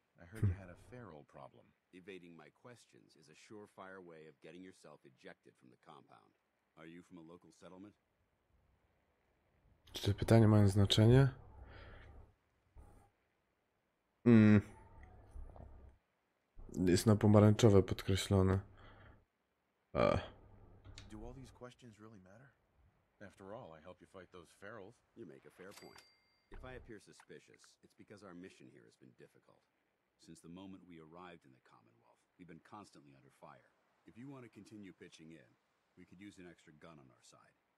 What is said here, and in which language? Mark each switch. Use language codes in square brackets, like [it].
[en] I heard you had a feral problem. Evading my questions is a surefire way of getting yourself ejected from the compound. Are you from a local settlement? [pl] Czy te pytania mają znaczenie? Jest na pomarańczowe podkreślone. [en] Do all these questions really matter? After all, I help you fight those ferals. You make a fair point. If I appear suspicious, it's because our mission here has been difficult. Since the moment we arrived in the Commonwealth, we've been constantly under fire. If you want to continue pitching in, we could use an extra gun on our side.